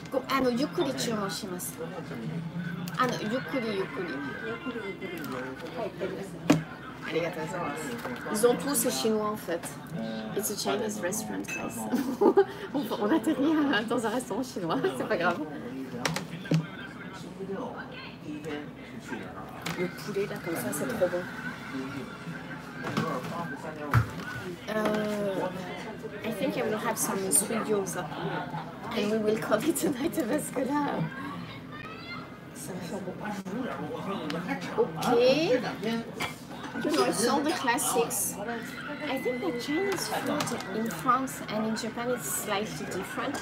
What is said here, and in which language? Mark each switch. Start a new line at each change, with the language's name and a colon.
Japanese: あの、ゆっくり注文します。あの、ゆっくり。ゆっくり。ありがとうございます。
French: Ils ont tous ces chinois en fait.
English: It's a Chinese restaurant, guys.
French: On atterrit dans un restaurant chinois, c'est pas grave. Le poulet là comme ça, c'est trop bon.
English: I think I will have some sweet gyoza. And we will call it tonight a mascara. Ok. You know, it's all the classics. I think the Chinese food in France and in Japan is slightly different.